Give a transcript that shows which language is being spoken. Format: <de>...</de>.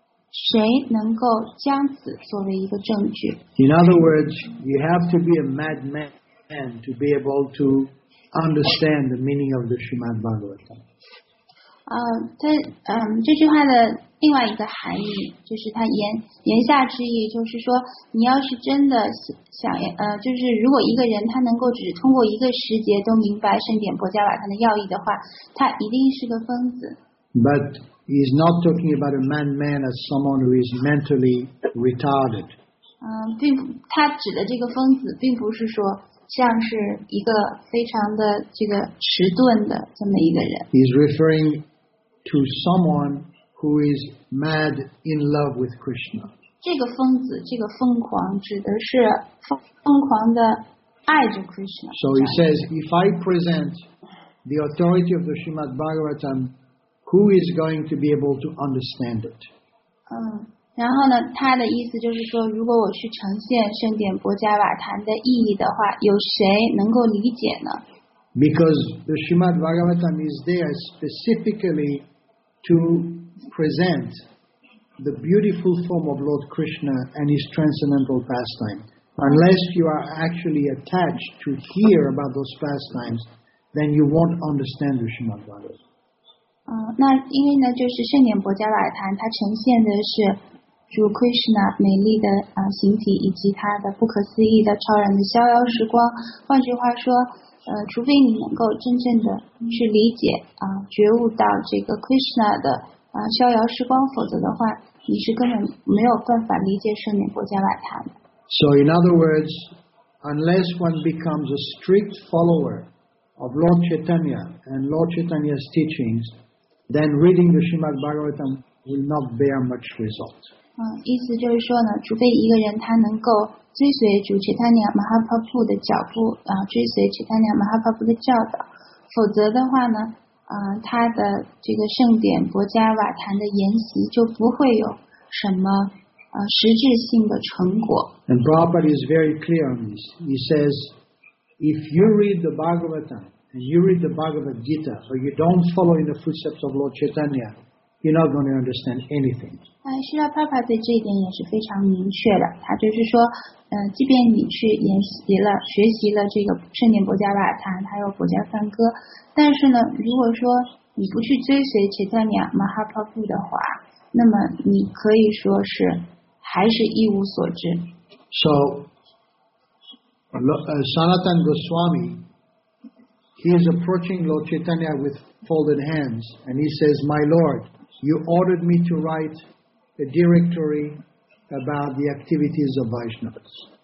<zh>谁能够将此作为一个证据？</zh> <en>In other words, you have to be a madman to be able to understand the meaning of the Srimad Bhagavatam.</en> <zh>这句话的另外一个含义就是它言下之意就是说，你要是真的想就是如果一个人他能够只通过一个时节都明白圣典波迦瓦他的要义的话，他一定是个疯子。</zh> <en>But he's not talking about a madman as someone who is mentally retarded.</en> <zh>他指的这个疯子并不是说像是一个非常的这个迟钝的这么一个人。</zh> <en>He's referring to someone who is mad in love with Krishna.</en> <zh>这个疯子，这个疯狂指的是疯狂的爱着 Krishna。</zh> <en>So he says, if I present the authority of the Srimad Bhagavatam, who is going to be able to understand it?</en> <zh>然后呢，他的意思就是说，如果我去呈现圣典波迦瓦坛的意义的话，有谁能够理解呢？</zh> <en>Because the Srimad Bhagavatam is there specifically to present the beautiful form of Lord Krishna and his transcendental pastime. Unless you are actually attached to hear about those pastimes, then you won't understand the Srimad Bhagavatam.</en> <zh>那因为呢，就是圣典波迦瓦坛它呈现的是主 Krishna 美丽的形体以及他的不可思议的超然的逍遥时光。换句话说，除非你能够真正的去理解觉悟到这个 Krishna 的逍遥时光，否则的话，你是根本没有办法理解圣典波迦瓦坛的。</zh> <en>So in other words, unless one becomes a strict follower of Lord Chaitanya and Lord Chaitanya's teachings, then reading the Srimad Bhagavatam will not bear much result.</en> <zh>意思就是说呢，除非一个人他能够追随主切塔尼亚马哈帕布的脚步，追随切塔尼亚马哈帕布的教导，否则的话呢，他的这个圣典博加瓦坛的研习就不会有什么实质性的成果。</zh> <en>And Prabhupada is very clear on this. He says, if you read the Bhagavatam and you read the Bhagavad Gita, or you don't follow in the footsteps of Lord Chaitanya, you're not going to understand anything.</en> <zh>释迦牟尼佛对这一点也是非常明确的，他就是说，即便你去研习了、学习了这个圣典波迦瓦坛，还有波迦梵歌，但是呢，如果说你不去追随切特尼亚马哈帕布的话，那么你可以说是还是一无所知。</zh> <en>So, Sanatan Goswami, he is approaching Lord Chaitanya with folded hands, and he says, "My Lord, you ordered me to write a directory about the activities of Vaishnavas."</en>